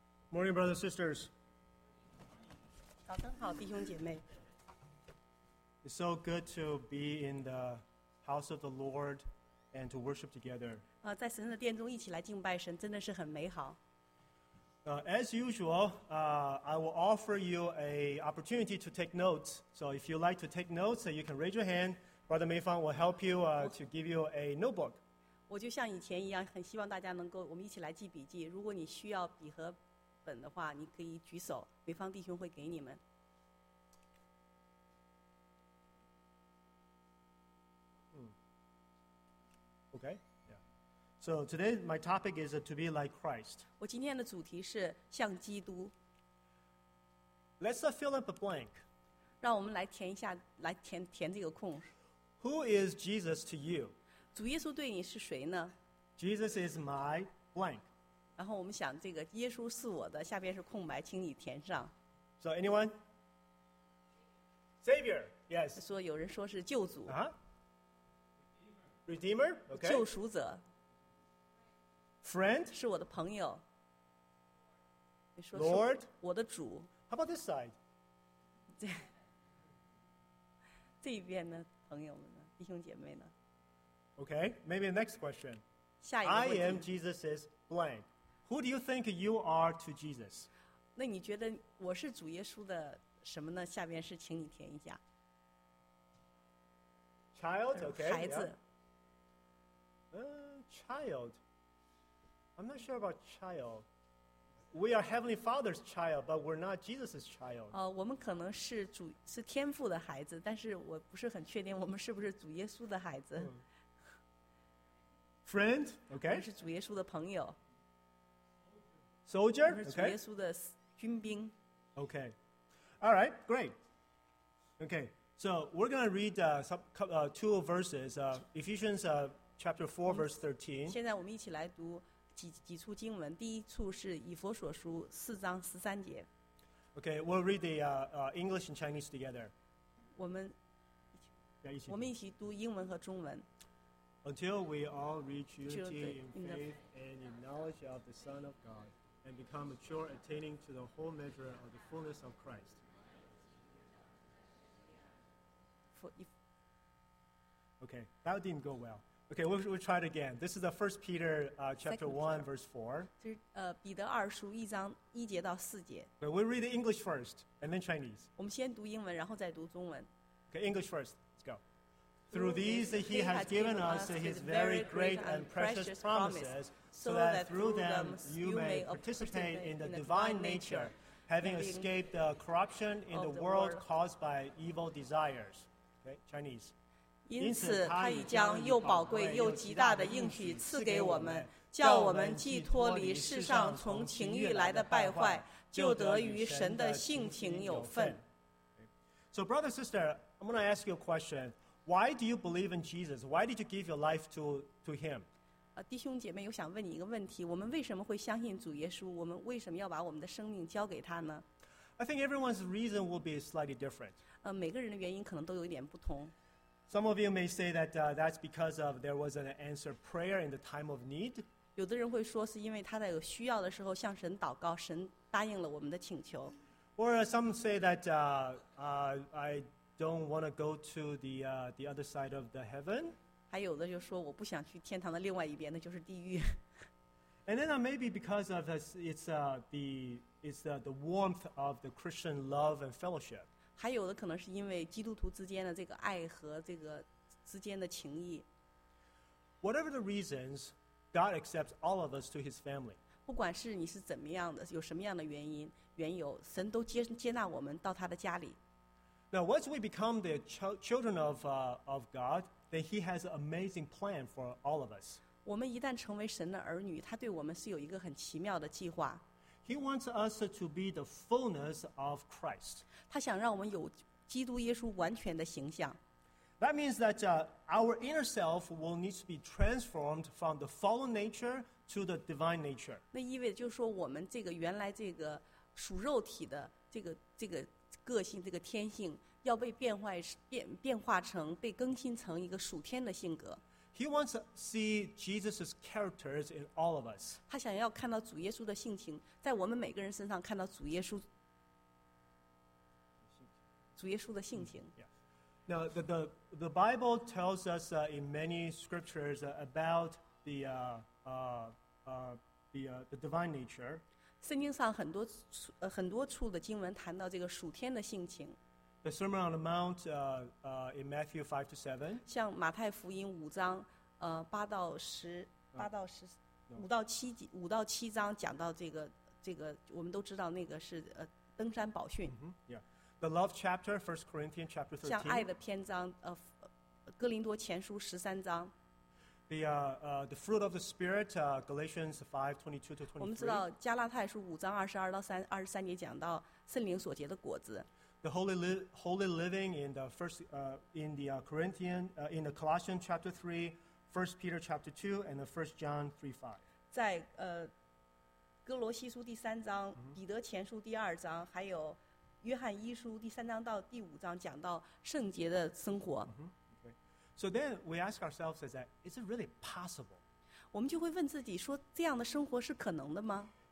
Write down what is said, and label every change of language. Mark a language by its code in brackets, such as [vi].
[en] Morning, brothers and sisters. [zh] 早上好，弟兄姐妹。 [en] It's so good to be in the house of the Lord and to worship together. [zh] 在神的殿中一起来敬拜神，真的是很美好。 [en] As usual, I will offer you an opportunity to take notes. So if you like to take notes, you can raise your hand. Brother Mayfang will help you to give you a notebook. [zh] 我就像以前一样，很希望大家能够我们一起来记笔记。如果你需要笔和本的话，你可以举手，梅芳弟兄会给你们。 [en] Okay, yeah. So today my topic is to be like Christ. [zh] 我今天的主题是像基督。 [en] Let's fill up a blank. [zh] 让我们来填一下，来填这个空。 [en] Who is Jesus to you? [zh] 主耶稣对你是谁呢？ [en] Jesus is my blank. [zh] 然后我们想这个耶稣是我的下边是空白请你填上 [en] So anyone? Savior, yes [zh] 说有人说是救主、 [en] Redeemer, okay [zh] 救赎者 [en] Friend [zh] 是我的朋友 [en] Lord [zh] 我的主 [en] How about this side? [zh] 这边的朋友们呢弟兄姐妹呢 [en] Okay, maybe the next question [zh] 下一个问题 [en] I am Jesus's blank Who do you think you are to Jesus? [zh] 那你觉得我是主耶稣的什么呢？下边是请你填一下。 [en] Child, okay. [zh] 孩子。 [en] Child. I'm not sure about child. We are Heavenly Father's child, but we're not Jesus's child. [zh] 我们可能是主是天父的孩子，但是我不是很确定我们是不是主耶稣的孩子。 [en] Friend, okay. [zh] 我是主耶稣的朋友。 [en] Soldier, [zh] okay. 耶稣的军兵。 [en] Okay, all right, great. Okay, so we're gonna read two verses, Ephesians chapter 4, verse 13. [zh] 现在我们一起来读几处经文。第一处是以弗所书四章十三节。 [en] Okay, we'll read the English and Chinese together. [zh] 我们我们一起读英文和中文。 [en] Until we all reach unity in faith and in knowledge of the Son of God. And become mature, attaining to the whole measure of the fullness of Christ. Okay, that didn't go well. Okay, we'll try it again. This is the 1 Peter chapter 1, verse 4. [zh] 这是彼得二书一章一节到四节。 [en] But we'll read the English first, and then Chinese. [zh] 我们先读英文，然后再读中文。 [en] Okay, English first. Let's go. Through these he has given us his very great and precious promises, so that through them you may participate in the divine nature, having escaped the corruption in the world caused by evil desires. Okay, Chinese. [zh] 因此他已将又宝贵又极大的应许赐给我们，叫我们既脱离世上从情欲来的败坏，就得与神的性情有份。 [en] So brother, sister, I'm going to ask you a question. Why do you believe in Jesus? Why did you give your life to him? [zh] 弟兄姐妹，我想问你一个问题：我们为什么会相信主耶稣？我们为什么要把我们的生命交给他呢 [en] ？I think everyone's reason will be slightly different. [zh] 每个人的原因可能都有一点不同。 [en] Some of you may say that that's because of there was an answered prayer in the time of need. [zh] 有的人会说是因为他在有需要的时候向神祷告，神答应了我们的请求。 [en] Or some say that Don't want to go to the other side of the heaven. [zh] 还有的就说我不想去天堂的另外一边，那就是地狱。 [en] And then maybe because of this, it's the warmth of the Christian love and fellowship. [zh] 还有的可能是因为基督徒之间的这个爱和这个之间的情谊。 [en] Whatever the reasons, God accepts all of us to His family. [zh] 不管是你是怎么样的，有什么样的原因缘由，神都接纳我们到他的家里。 [en] Now, once we become the children of God, then He has an amazing plan for all of us. [zh] 我们一旦成为神的儿女，他对我们是有一个很奇妙的计划。 [en] He wants us to be the fullness of Christ. [zh] 他想让我们有基督耶稣完全的形象。 [en] That means that our inner self will need to be transformed from the fallen nature to the divine nature. [zh] 那意味着就是说，我们这个原来这个属肉体的这个。个性这个天性要被变化成被更新成一个属天的性格。 [en] He wants to see Jesus' characters in all of us. [zh] 他想要看到主耶稣的性情，在我们每个人身上看到主耶稣。主耶稣的性情。 [en] Yeah. Now the Bible tells us in many scriptures about the divine nature. [zh] 圣经上很多很多处的经文谈到这个属天的性情。 [en] The Sermon on the Mount in Matthew 5 to 7. [zh] 像马太福音五章八到十八到十五到七五到七章讲到这个这个我们都知道那个是登山宝训。 [en] The Love Chapter, 1 Corinthians Chapter 13. [zh] 像爱的篇章哥林多前书十三章。 [en] The Fruit of the Spirit, Galatians 5, 22 to 23. [zh] 我们知道加拉太书五章二十二到三二十三节讲到圣灵所结的果子。 [en] The holy living in the first in the Corinthian in the Colossians chapter 3, 1 Peter chapter 2 and the 1 John 3:5. [zh] 在哥罗西书第三章、彼得前书第二章，还有约翰一书第三章到第五章，讲到圣洁的生活。 [en] So then we ask ourselves, is that is it really possible? [zh] 我们就会问自己说，这样的生活是可能的吗